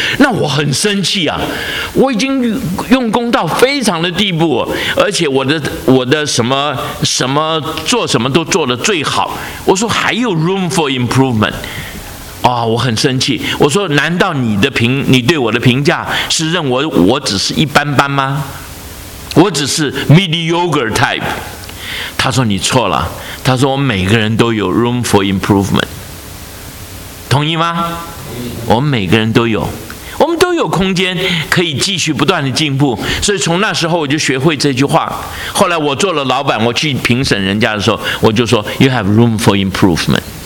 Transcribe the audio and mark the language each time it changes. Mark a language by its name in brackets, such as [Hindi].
[Chinese] 那我很生气啊，我已经用功到非常的地步，而且我的什么什么做什么都做得最好，我说还有 room for improvement， 啊、哦，我很生气，我说难道你对我的评价是认为我只是一般般吗？我只是 mediocre type。他说你错了，他说我们每个人都有 room for improvement， 同意吗？我们每个人都有，我们都有空间可以继续不断的进步。所以从那时候我就学会这句话，后来我做了老板，我去评审人家的时候，我就说 [English] you have room for improvement。